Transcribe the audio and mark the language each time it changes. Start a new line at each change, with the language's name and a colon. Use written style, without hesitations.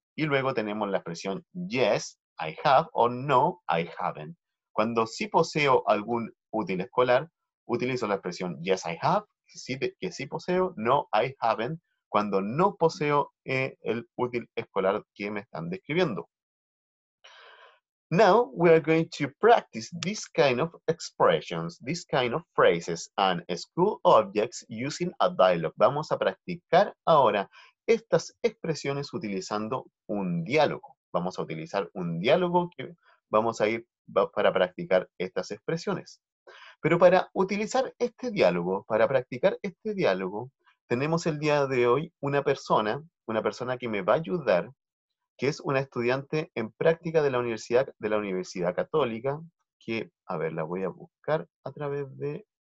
Spanish: Y luego tenemos la expresión
English: yes, I have,
Spanish: o
English: no, I haven't.
Spanish: Cuando sí poseo algún útil escolar, utilizo la expresión
English: yes, I have,
Spanish: que sí poseo,
English: no, I haven't,
Spanish: cuando no poseo el útil escolar que me están describiendo.
English: Now, we are going to practice this kind of expressions, this kind of phrases and school objects using a dialogue.
Spanish: Vamos a practicar ahora estas expresiones utilizando un diálogo. Vamos a utilizar un diálogo que vamos a ir para practicar estas expresiones. Pero para utilizar este diálogo, para practicar este diálogo, tenemos el día de hoy una persona que me va a ayudar, que es una estudiante en práctica de la Universidad Católica, que, a ver, la voy a buscar a través de...